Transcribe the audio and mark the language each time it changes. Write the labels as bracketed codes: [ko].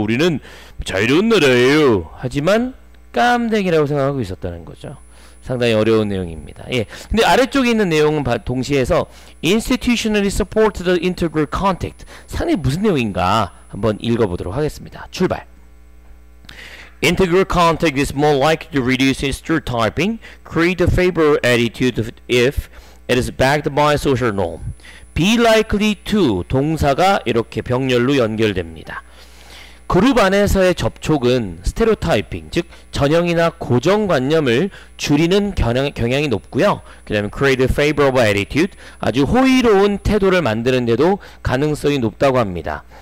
[ko] 우리는 자유로운 나라예요. 하지만 깜댕이라고 생각하고 있었다는 거죠. 상당히 어려운 내용입니다. 예. 근데 아래쪽에 있는 내용은 동시에서 [en] Institutionally supported integral contact. [ko] 상당히 무슨 내용인가 한번 읽어보도록 하겠습니다. 출발. [en] Integral contact is more likely to reduce stereotyping, create a favorable attitude if It is backed by social norm. Be likely to [ko] 동사가 이렇게 병렬로 연결됩니다. 그룹 안에서의 접촉은 스테레오타이핑, 즉 전형이나 고정관념을 줄이는 경향이 높고요. 그 다음에 [en] create a favorable attitude, [ko] 아주 호의로운 태도를 만드는데도 가능성이 높다고 합니다.